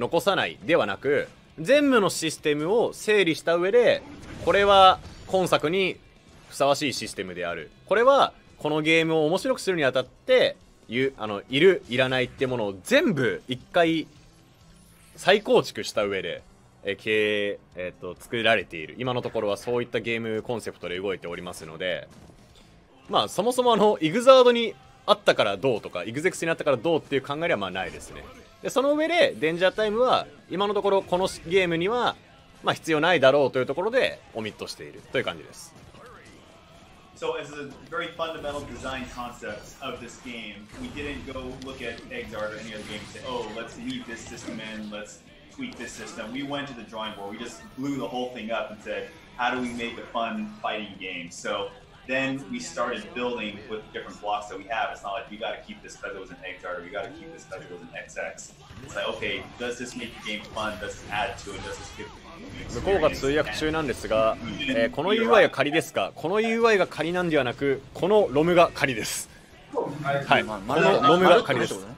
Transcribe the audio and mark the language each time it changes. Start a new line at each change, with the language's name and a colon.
Japanese: 残さないではなく全部のシステムを整理した上で、これは今作にふさわしいシステムである、これはこのゲームを面白くするにあたっているいらないってものを全部一回再構築した上で作られている、今のところはそういったゲームコンセプトで動いておりますので、まあそもそもイグザードにあったからどうとかイグゼクスにあったからどうっていう考えはまあないですね。でその上でデンジャータイムは今のところこのゲームには、まあ、必要ないだろうというところでオミットしているという感じです。
English: So as a very fundamental design concept of this game, we didn't go look at Exard or any other game and say, oh, let's leave this system in, let's tweak this system. We went to the drawing board, we just blew the whole thing up and said, how do we make a fun fighting game? So then we started building with different blocks that we have. It's not like you got to keep this because it was an Exard, or you got to keep this because it was an XX. It's like, okay, does this make the game fun? Does it add to it? Does this give it...
Japanese: 向こうが通訳中なんですが、この UI は仮ですか、この UI が仮なんではなく、このロムが仮です。はい、このロムが仮です。